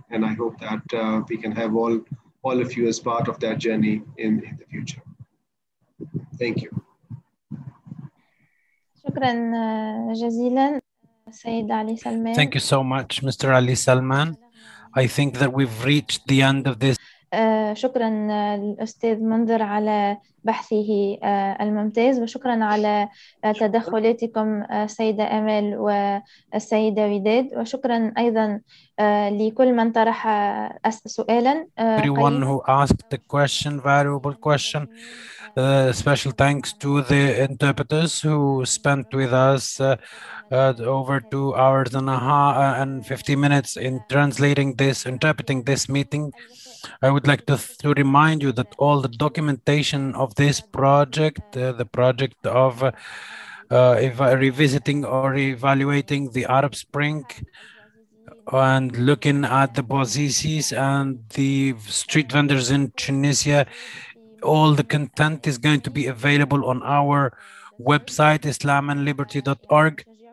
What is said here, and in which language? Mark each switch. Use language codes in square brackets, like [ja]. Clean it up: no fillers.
[en] And I hope that we can have all of you as part of that journey in the future. Thank you. [ar] Shukran Jazilan, Sayyid Ali Salman. [en] Thank you so much, Mr. Ali Salman. I think that we've reached the end of this. [ar] شكرا للأستاذ منذر على بحثه الممتاز وشكرا على تدخلاتكم سيدة أمل والسيدة وداد وشكرا أيضا لكل من طرح سؤالا. [en] Everyone who asked the question, valuable question. Special thanks to the interpreters who spent with us over 2 hours and a half and 50 minutes in translating this, interpreting this meeting. I would like to remind you that all the documentation of this project, the project of revisiting or evaluating the Arab Spring and looking at the Bouazizis and the street vendors in Tunisia, all the content is going to be available on our website, islamandliberty.org.